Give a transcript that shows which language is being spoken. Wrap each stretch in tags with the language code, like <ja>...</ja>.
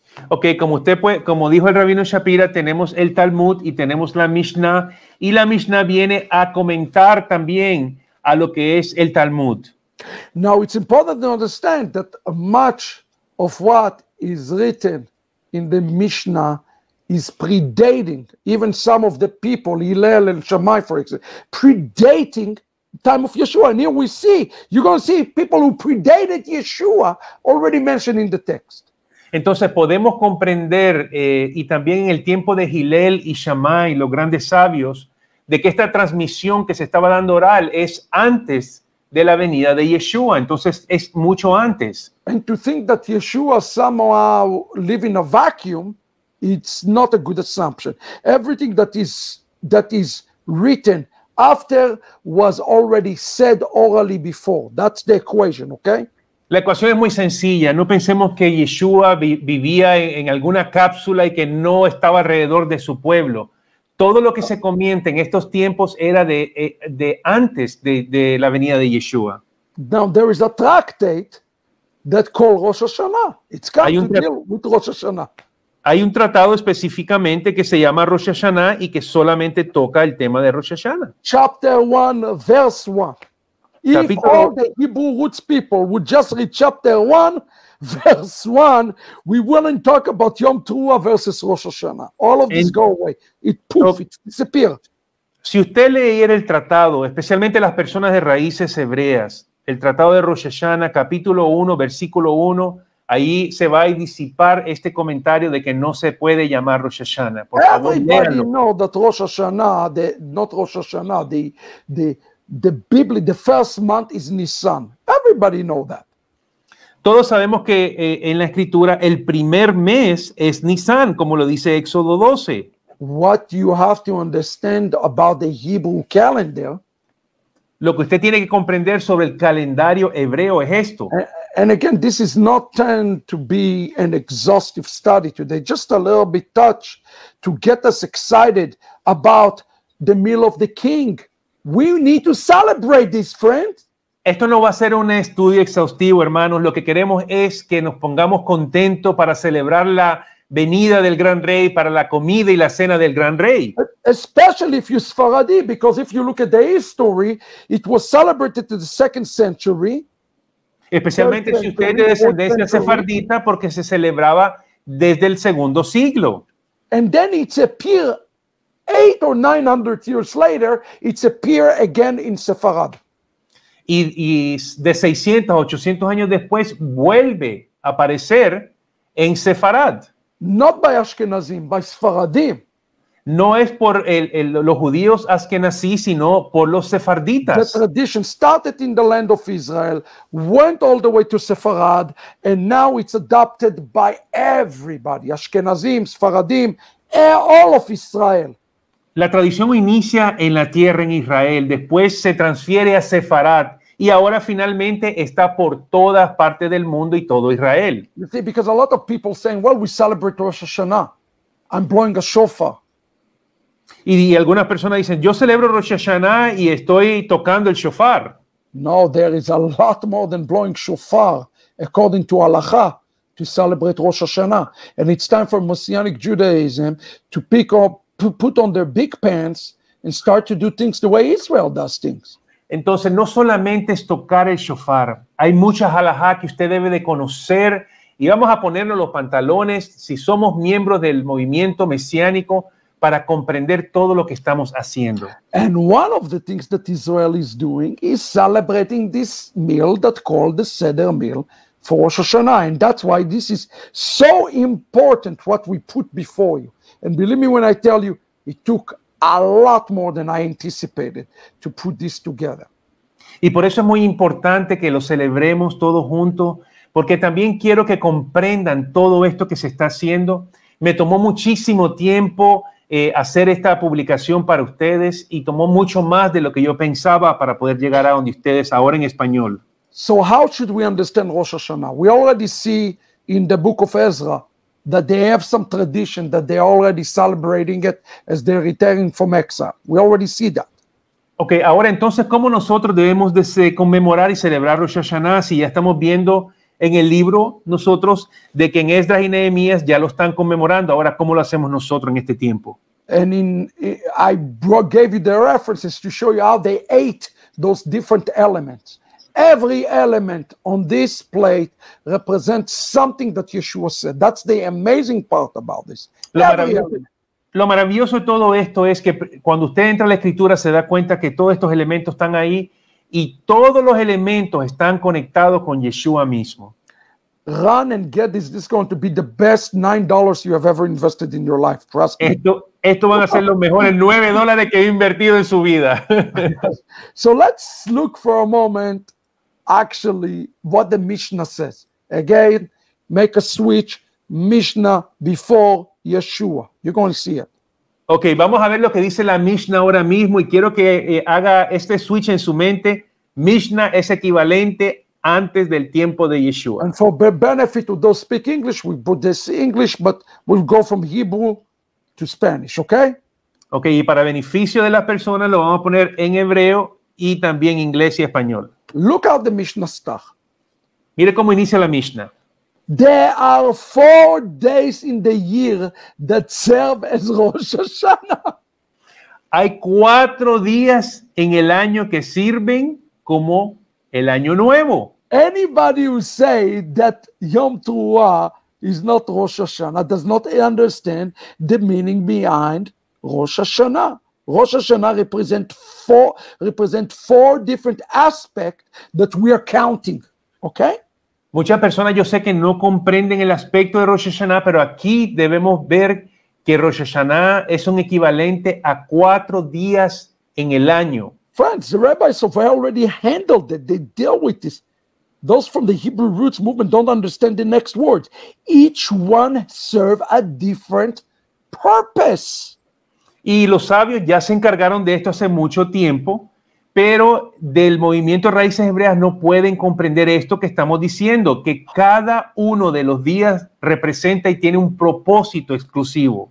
<es>Okay, como usted puede, como dijo el Rabino Shapira, tenemos el Talmud y tenemos la Mishnah, y la Mishnah viene a comentar también a lo que es el Talmud.</es> <en>Now it's important to understand that much of what is written in the Mishnah is predating even some of the people, Hillel and Shammai, for example, predating time of Yeshua. And here we see, you're going to see people who predated Yeshua already mentioned in the text.</en> <es>Entonces podemos comprender y también en el tiempo de Hillel y Shammai, los grandes sabios, de que esta transmisión que se estaba dando oral es antes de la venida de Yeshua. Entonces es mucho antes.</es> <en>And to think that Yeshua somehow live in a vacuum, it's not a good assumption. Everything that is written after was already said orally before. That's the equation, okay?</en> <es>La ecuación es muy sencilla. No pensemos que Yeshua vivía en alguna cápsula y que no estaba alrededor de su pueblo. Todo lo que se comienta en estos tiempos era de antes de la venida de Yeshua.</es> <en>Now there is a tractate that called Rosh Hashanah. It's got to deal with Rosh Hashanah.</en> <es>Hay un tratado específicamente que se llama Rosh Hashanah y que solamente toca el tema de Rosh Hashanah.</es> <en>Chapter 1, verse 1. If all the Hebrew roots people would just read chapter 1, verse 1, we wouldn't talk about Yom Teruah versus Rosh Hashanah. All of this go away. It poof, it disappeared.</en> <es>Si usted leyera el tratado, especialmente las personas de raíces hebreas, el tratado de Rosh Hashanah, capítulo 1, versículo 1, ahí se va a disipar este comentario de que no se puede llamar Rosh Hashanah. Por</es> <en>Everybody knows that Rosh Hashanah, the Bible, the first month is Nisan. Everybody know that.</en> <es>Todos sabemos que en la escritura el primer mes es Nisan, como lo dice Éxodo 12.</es> <en>What you have to understand about the Hebrew calendar.</en> <es>Lo que usted tiene que comprender sobre el calendario hebreo es esto.</es> <en>And again, this is not meant to be an exhaustive study today. Just a little bit touch to get us excited about the meal of the king. We need to celebrate this, friend.</en> <es>Esto no va a ser un estudio exhaustivo, hermanos. Lo que queremos es que nos pongamos contentos para celebrar la venida del gran rey, para la comida y la cena del gran rey.</es> <en>Especially if you're Sfaradi, because if you look at the history, it was celebrated in the second century.</en> <es>Especialmente si usted es de descendencia sefardita, porque se celebraba desde el segundo siglo.</es> <en>And then it's appeared 800 or 900 years later, it's appear again in Sefarad.</en> <es>Y de 600 a 800 años después vuelve a aparecer en Sefarad.</es> <en>Not by Ashkenazim, by Sfaradim.</en> <es>No es por los judíos Ashkenazí, sino por los sefarditas.</es> <en>The tradition started in the land of Israel, went all the way to Sefarad, and now it's adopted by everybody, Ashkenazim, Sfaradim, all of Israel.</en> <es>La tradición inicia en la tierra en Israel, después se transfiere a Sefarad y ahora finalmente está por todas partes del mundo y todo Israel.</es> <en>You see, because a lot of people saying, well, we celebrate Rosh Hashanah. I'm blowing a shofar.</en> <es>Y algunas personas dicen, yo celebro Rosh Hashanah y estoy tocando el shofar.</es> <en>No, there is a lot more than blowing shofar according to halacha to celebrate Rosh Hashanah. And it's time for Messianic Judaism to pick up to put on their big pants and start to do things the way Israel does things.</en> <es>Entonces, no solamente es tocar el shofar. Hay muchas halajá que usted debe de conocer. Y vamos a ponernos los pantalones, si somos miembros del movimiento mesiánico, para comprender todo lo que estamos haciendo.</es> <en>And one of the things that Israel is doing is celebrating this meal that called the Seder meal for Rosh Hashanah. And that's why this is so important, what we put before you. And believe me when I tell you, it took a lot more than I anticipated to put this together.</en> <es>Y por eso es muy importante que lo celebremos todos juntos, porque también quiero que comprendan todo esto que se está haciendo. Me tomó muchísimo tiempo hacer esta publicación para ustedes y tomó mucho más de lo que yo pensaba para poder llegar a donde ustedes ahora en español.</es> <en>So how should we understand Rosh Hashanah? We already see in the book of Ezra that they have some tradition that they're already celebrating it as they're returning from exile. We already see that.</en> <es>Okay, ahora entonces, ¿cómo nosotros debemos de conmemorar y celebrar Rosh Hashanah si ya estamos viendo en el libro nosotros de que en Esdras y Nehemías ya lo están conmemorando? Ahora, ¿cómo lo hacemos nosotros en este tiempo?</es> <en>And in, I brought, gave you the references to show you how they ate those different elements. Every element on this plate represents something that Yeshua said. That's the amazing part about this.</en> <es>Lo maravilloso de todo esto es que cuando usted entra a la escritura se da cuenta que todos estos elementos están ahí y todos los elementos están conectados con Yeshua mismo.</es> <en>Run and get this. This is going to be the best $9 you have ever invested in your life. Trust me.</en> <es>Esto van a ser los mejores $9 que he invertido en su vida.</es> <en>So let's look for a moment actually what the Mishnah says. Again, make a switch. Mishnah before Yeshua. You're going to see it.</en> <es>Okay, vamos a ver lo que dice la Mishnah ahora mismo y quiero que haga este switch en su mente. Mishnah es equivalente antes del tiempo de Yeshua.</es> <en>And for the benefit of those speak English, we put this English, but we'll go from Hebrew to Spanish, okay?</en> <es>Okay, y para beneficio de las personas lo vamos a poner en hebreo y también inglés y español.</es> <en>Look how the Mishnah starts.</en> <es>Mire cómo inicia la Mishnah.</es> <en>There are 4 days in the year that serve as Rosh Hashanah.</en> <es>Hay 4 días en el año que sirven como el año nuevo.</es> <en>Anybody who say that Yom Teruah is not Rosh Hashanah does not understand the meaning behind Rosh Hashanah. Rosh Hashanah represent four different aspects that we are counting. Okay?</en> <es>Muchas personas yo sé que no comprenden el aspecto de Rosh Hashanah, pero aquí debemos ver que Rosh Hashanah es un equivalente a 4 días en el año.</es> <en>Friends, the rabbis of Israel already handled it. They deal with this. Those from the Hebrew roots movement don't understand the next words. Each one serve a different purpose.</en> <es>Y los sabios ya se encargaron de esto hace mucho tiempo. Pero del movimiento Raíces Hebreas no pueden comprender esto que estamos diciendo, que cada uno de los días representa y tiene un propósito exclusivo.</es>